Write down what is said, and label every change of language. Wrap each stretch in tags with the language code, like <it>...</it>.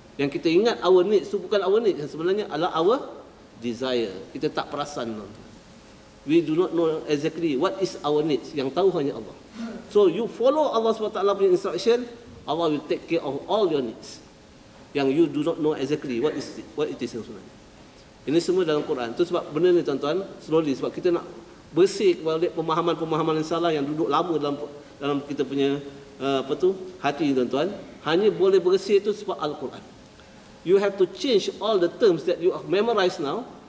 <ms>Yang kita ingat</ms> <en>our needs</en> <ms>tu bukan</ms> <en>our needs,</en> <ms>yang sebenarnya adalah</ms> <en>our desire.</en> <ms>Kita tak perasan, tuan-tuan.</ms> <en>We do not know exactly what is our needs.</en> <ms>Yang tahu hanya Allah.</ms> <en>So you follow Allah SWT</en> <ms>punya</ms> <en>instruction, Allah will take care of all your needs.</en> <ms>Yang</ms> <en>you do not know exactly what it is</en> <ms>yang sebenarnya. Ini semua dalam Quran. Itu sebab benda ni, tuan-tuan,</ms> <en>slowly.</en> <ms>Sebab kita nak bersih kepada pemahaman-pemahaman yang salah yang duduk lama dalam kita punya hati, tuan-tuan. Hanya boleh bersih itu sebab Al-Quran.</ms> <en>You have to change all the terms that you have memorized now.</en>